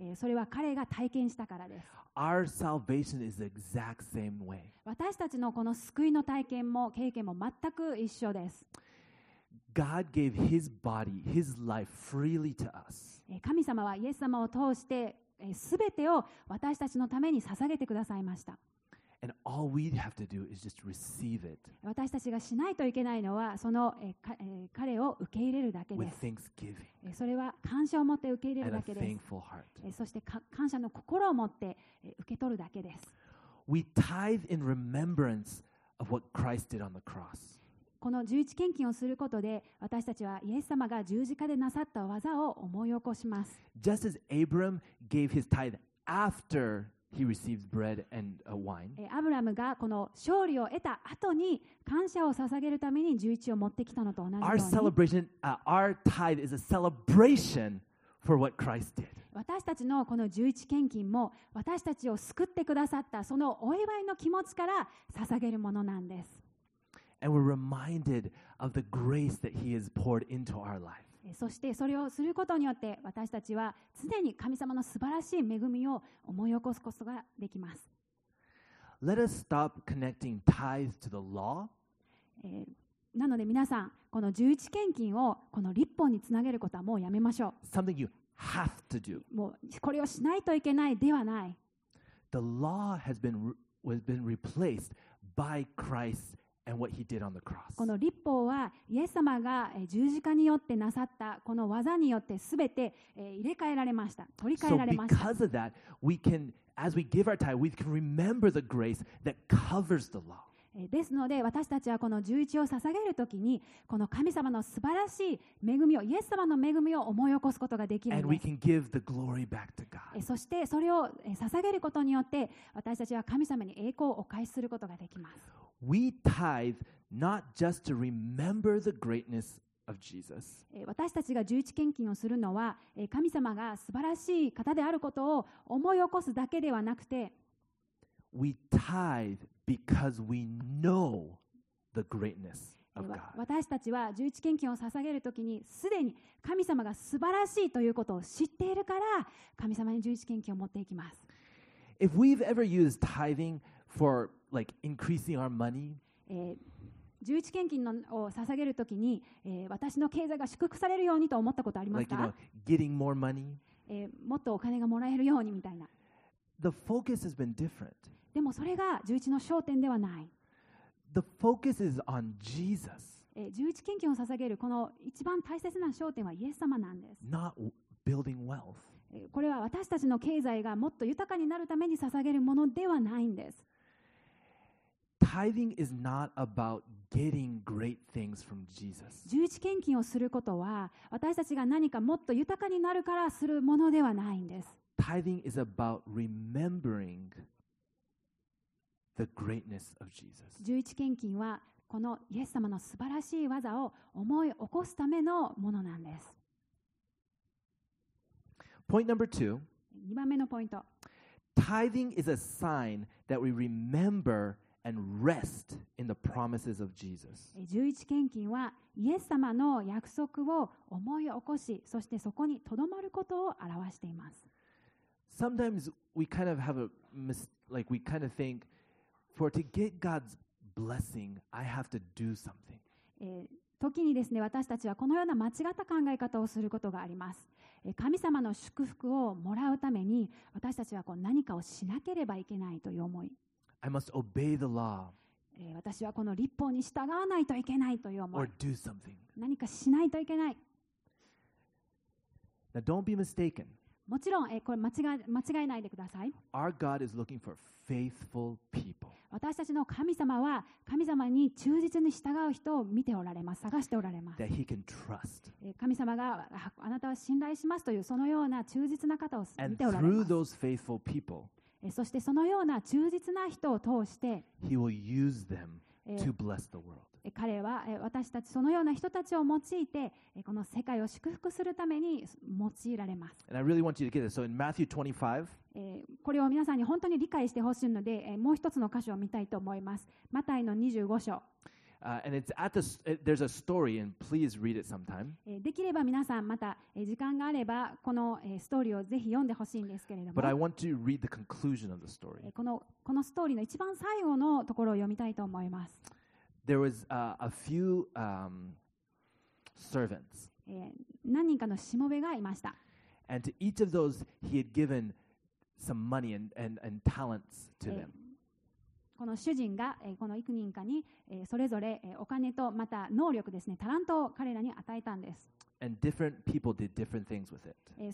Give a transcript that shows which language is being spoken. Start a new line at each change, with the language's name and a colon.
Japanese: それは彼が体験したからです。
English: Our salvation is the exact same way.
Japanese: 私たちのこの救いの体験も経験も全く一緒です。
English: God gave his body, his life freely to us.
Japanese: 神様はイエス様を通して全てを私たちのために捧げてくださいました。
English: And all we have to do is just receive it.
Japanese: 私たちがしないといけないのはその彼を受け入れるだけです。
English: With thanksgiving.
Japanese: それは感謝を持って受け入れるだけです。
English: And a thankful heart.
Japanese: そして感謝の心を持って受け取るだけです。
English: We tithe in remembrance of what Christ did on the cross.
Japanese: この十一献金をすることで私たちはイエス様が十字架でなさった技を思い起こします。
English: Just as Abram gave his tithe after he received bread and wine,
Japanese: アブラムがこの勝利を得た後に感謝を捧げるために十一を持ってきたのと同じように
English: Our celebration, our tithe is a celebration for what Christ did.
Japanese: 私たちのこの十一献金も私たちを救ってくださったそのお祝いの気持ちから捧げるものなんです。
English: And we're reminded of the grace that He has poured into our life.
Japanese: そしてそれをすることによって私たちは常に神様の素晴らしい恵みを思い起こすことができます。
English: Let us stop connecting tithes to the law.
Japanese: なので皆さん、この十一献金をこの律法につなげることはもうやめましょう。
English: Something you have to do.
Japanese: もうこれをしないといけないではない。
English: The law has been, was been replaced by Christ. And what he did on the cross.
Japanese: この律法はイエス様が十字架によってなさったこの技によってすべて入れ替えられました。取り替えられました。
English: So because of that, we can, as we give our tithe, we can remember the grace that covers the law.
Japanese: ですので私たちはこの十一を捧げるときにこの神様の素晴らしい恵みをイエス様の恵みを思い起こすことができるんです。
English: And we can give the glory back to God.
Japanese: そしてそれを捧げることによって私たちは神様に栄光をお返しすることができます。
English: We tithe not just to remember the greatness of Jesus.
Japanese: 私たちが十一献金をするのは、神様が素晴らしい方であることを思い起こすだけではなくて、
English: We tithe because we know the greatness of God.
Japanese: 私たちは十一献金を捧げるときに、すでに神様が素晴らしいということを知っているから、神様に十一献金を持っていきます。
English: If we've ever used tithing for like increasing our money,
Japanese: 十一献金を捧げるときに、私の経済が祝福されるようにと思ったことありますか？
English: Like, you know, getting more money,
Japanese: もっとお金がもらえるようにみたいな。
English: The focus has been different.
Japanese: でもそれが十一の焦点ではない。
English: The focus is on Jesus.
Japanese: 十一献金を捧げるこの一番大切な焦点はイエス様なんです。
English: Not building wealth.
Japanese: これは私たちの経済がもっと豊かになるために捧げるものではないんです。
English: Tithing is not about getting great things from Jesus.
Japanese: 十一献金をすることは私たちが何かもっと豊かになるからするものではないんです。
English: Tithing is about remembering the greatness of Jesus.
Japanese: 十一献金はこのイエス様の素晴らしい技を思い起こすためのものなんです。
English: Point number two.
Japanese: 2番目のポイント。
English: Tithing is a sign that we remember and rest in the promises of Jesus.
Japanese: 十一献金はイエス様の約束を思い起こし、そしてそこにとどまることを表しています。
English: Sometimes we kind of have a like we kind of think, for to get God's blessing, I have to do something.
Japanese: 時にですね、私たちはこのような間違った考え方をすることがあります。神様の祝福をもらうために、私たちはこう何かをしなければいけないという思い。
English: I must obey the law.
Japanese: 私はこの律法に従わないといけないという思い。
English: Or do something.
Japanese: 何かしないといけない。
English: Now, don't be mistaken.
Japanese: もちろん、これ間違えないでください。
English: Our God is looking for faithful people.
Japanese: 私たちの神様は神様に忠実に従う人を見ておられます、探しておられます。
English: That he can trust.
Japanese: 神様があなたは信頼しますというそのような忠実な方を見ておられます。
English: And through those faithful people,
Japanese: そしてそのような忠実な人を通して、
English: he will use them to bless the world.
Japanese: 彼は私たちそのような人たちを用いてこの世界を祝福するために用いられます。
English: And I really want you to get this. So in Matthew 25,
Japanese: これを皆さんに本当に理解してほしいので、もう一つの箇所を見たいと思います。マタイの25章。
English: And it's at the, there's a story, and please read it sometime.
Japanese: できれば皆さんまた時間があればこのストーリーをぜひ読んでほしいんですけれども。
English: But I want to read the conclusion of the story.
Japanese: このストーリーの一番最後のところを読みたいと思います。
English: There was a few servants.
Japanese: 何人かのしもべがいました。
English: And to each of those, he had given some money and talents to them.
Japanese: この主人がこの幾人かにそれぞれお金とまた能力ですね、タラントを彼らに与えたんです。
English: And different people did different things with it.